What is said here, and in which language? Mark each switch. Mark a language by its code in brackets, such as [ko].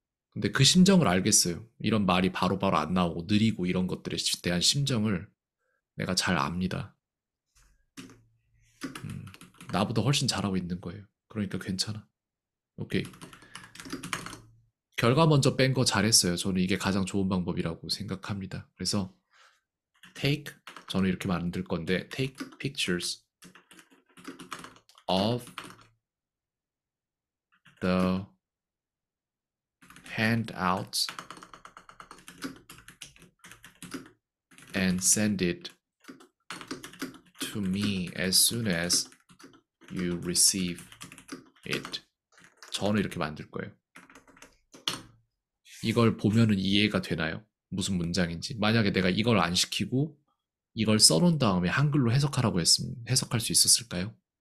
[ko] 근데 그 심정을 알겠어요. 이런 말이 바로바로 안 나오고 느리고 이런 것들에 대한 심정을 내가 잘 압니다. 나보다 훨씬 잘하고 있는 거예요. 그러니까 괜찮아. 오케이. 결과 먼저 뺀 거 잘했어요. 저는 이게 가장 좋은 방법이라고 생각합니다. 그래서 [en] take, [ko] 저는 이렇게 만들 건데 [en] take pictures of the handouts and send it to me as soon as you receive it. [ko] 저는 이렇게 만들 거예요. 이걸 보면은 이해가 되나요? 무슨 문장인지. 만약에 내가 이걸 안 시키고 이걸 써놓은 다음에 한글로 해석하라고 했으면 해석할 수 있었을까요?